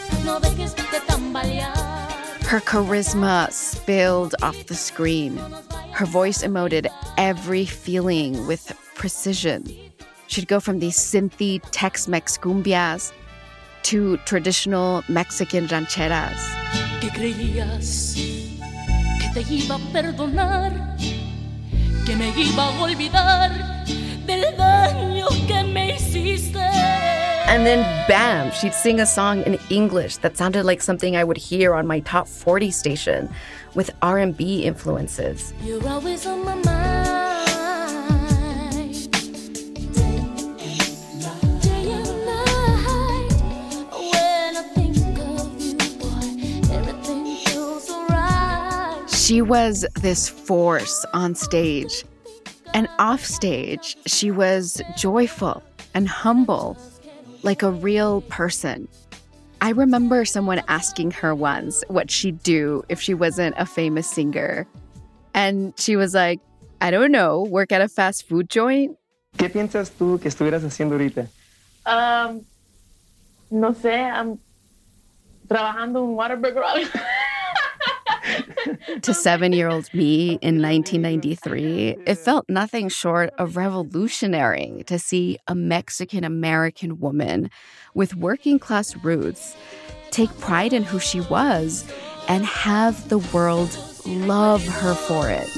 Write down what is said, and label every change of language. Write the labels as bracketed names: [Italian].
[English] Her charisma spilled off the screen. Her voice emoted every feeling with precision. She'd go from these synthy Tex-Mex cumbias to traditional Mexican rancheras. [Spanish] ¿Qué creías? Te iba a perdonar, que me iba a olvidar del daño que me hiciste. [English] And then, bam, she'd sing a song in English that sounded like something I would hear on my top 40 station with R&B influences. You're always on my mind. Day and night, when I think of you, boy, everything feels all right. She was this force on stage. And off stage, she was joyful and humble. Like a real person. I remember someone asking her once what she'd do if she wasn't a famous singer. And she was like, I don't know, work at a fast food joint? [Spanish] ¿Qué piensas tú que estuvieras haciendo ahorita? No sé, [English] I'm [Spanish] trabajando en Whataburger. [English] To 7-year-old me in 1993, it felt nothing short of revolutionary to see a Mexican-American woman with working-class roots take pride in who she was and have the world love her for it.